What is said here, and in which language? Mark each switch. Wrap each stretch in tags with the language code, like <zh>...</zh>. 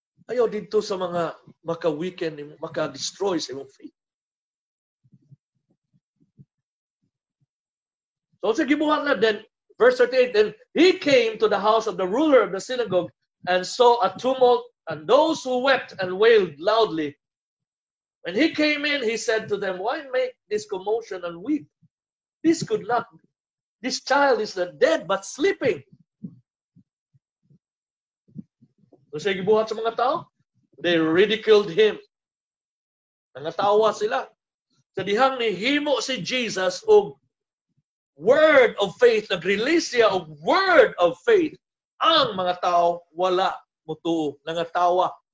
<ceb>Ayaw dito sa mga maka-weaken, maka-destroy sa imong faith. So, sige, gibuhan na</ceb> <en>then, verse 38, then he came to the house of the ruler of the synagogue and saw a tumult and those who wept and wailed loudly. When he came in, he said to them, why make this commotion and weep? This could not, this child is not dead but sleeping.</en> <ceb>So, sige, gibuhan sa mga tao.</ceb> <en>They ridiculed him.</en> <ceb>Nangatawa sila. Sa dihang nihimo si Jesus og word of faith, nag-release siya og word of faith, ang mga tao wala mutuo. Nangatawa.</ceb>